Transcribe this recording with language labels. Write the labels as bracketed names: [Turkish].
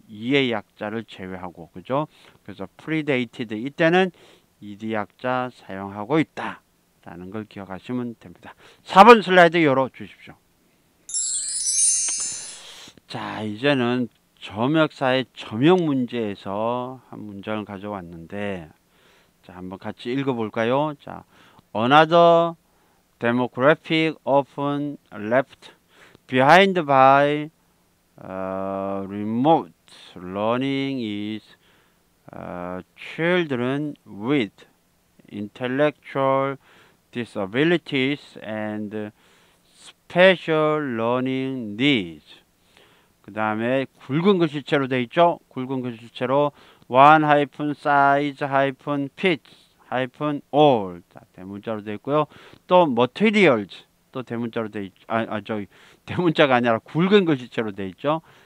[Korean] 이의 약자를 제외하고, 그죠? 그래서 predated 이때는 ed 약자 사용하고 있다라는 걸 기억하시면 됩니다. 4번 슬라이드 열어 주십시오. 자, 이제는 점역사의 점역 문제에서 한 문장을 가져왔는데, 자, 한번 같이 읽어볼까요? [English] 자, another demographic often left behind by remote learning is children with intellectual disabilities and special learning needs. [Korean] 그 다음에 굵은 글씨체로 되어 있죠? 굵은 글씨체로 [English] one hyphen size hyphen pitch hyphen all. [Korean] 자, 대문자로 되어 있고요. 또 materials. 또 대문자로 돼 있, 아, 아, 저기 대문자가 아니라 굵은 글씨체로 돼 있죠.